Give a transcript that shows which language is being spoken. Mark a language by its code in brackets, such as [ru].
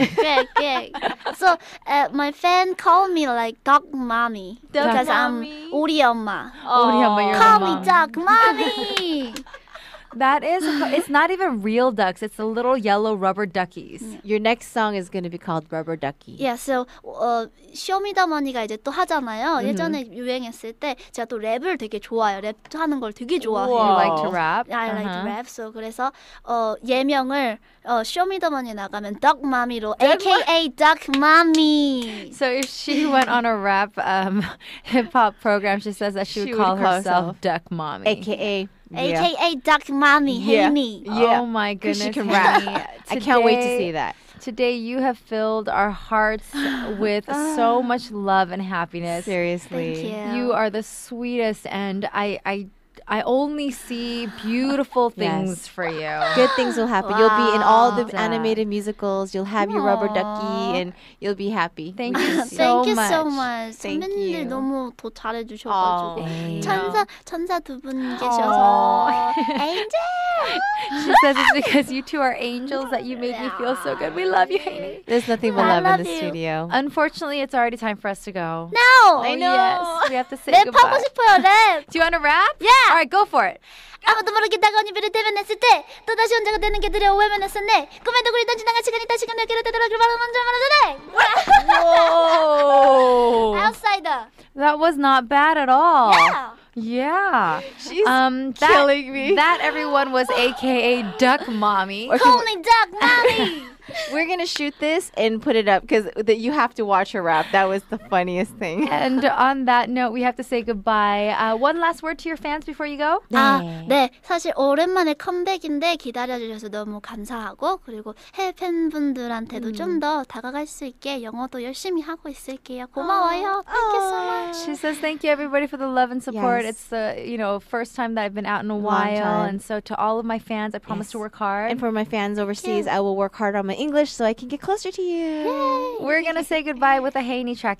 [en] 꽤 꽤. So my fan call me like dog mommy because I'm [ko] 오리 엄마. 오리 엄마, [en] you're call mom. Me dog mommy. That is, it's not even real ducks. It's the little yellow rubber duckies. Yeah. Your next song is going to be called Rubber Ducky. [ko] Yeah, so Show Me The Money가 이제 또 하잖아요. Mm-hmm. 예전에 유행했을 때 제가 또 랩을 되게 좋아해요. 랩 하는 걸 되게 좋아해요. [en] You like to rap? Yeah, I like to rap. So [ko] 그래서 예명을 [en] Show Me The Money에 나가면 Duck Mommy로 AKA Duck Mommy. So if she went on a rap hip-hop program, she says that she would call herself Duck Mommy. AKA AKA yeah. Duck Mommy, yeah. Hey me. Yeah. Oh my goodness. She can rap. Today, I can't wait to see that. Today you have filled our hearts with so much love and happiness. Seriously. Thank you. You are the sweetest and I only see beautiful things yes. for you. Good things will happen. Wow. You'll be in all the animated musicals. You'll have your rubber ducky and you'll be happy. Thank you so much. Thank you so much. [ko] 선배님들 너무 더 잘해주셔가지고. 천사 두 분 계셔서. Angel! [en] She says it's because you two are angels that you made me feel so good. We love you, Haney. There's nothing but love in the studio. Unfortunately, it's already time for us to go. No! Oh, I know. Yes, we have to say goodbye. [ko] 랩하고 싶어요, 랩. [en] Do you want to rap? Yeah! All right, go for it. [ko] 아무도 모르게 다가온 이별을 대변했을 때 또다시 혼자가 되는 게 두려워 외면했었네 꿈에도 그리던 지나간 시간이 다시 금 내게로 되돌아 그 바람은 좀 알아주네 [en] Whoa. Outsider. That was not bad at all. Yeah. She's killing me. That everyone was AKA Duck Mommy. Call me Duck Mommy. We're going to shoot this and put it up because you have to watch her rap. That was the funniest thing. And on that note, we have to say goodbye. One last word to your fans before you go. [ko] 네. 사실 오랜만에 컴백인데 기다려주셔서 너무 감사하고 그리고 해외 팬분들한테도 좀 더 다가갈 수 있게 영어도 열심히 하고 있을게요. 고마워요. [en] Thank you so much. She says thank you everybody for the love and support. Yes. It's the you know, first time that I've been out in a while. And so to all of my fans, I promise to work hard. And for my fans overseas, I will work hard on my English so I can get closer to you. Yay. We're gonna say goodbye with a Haney track.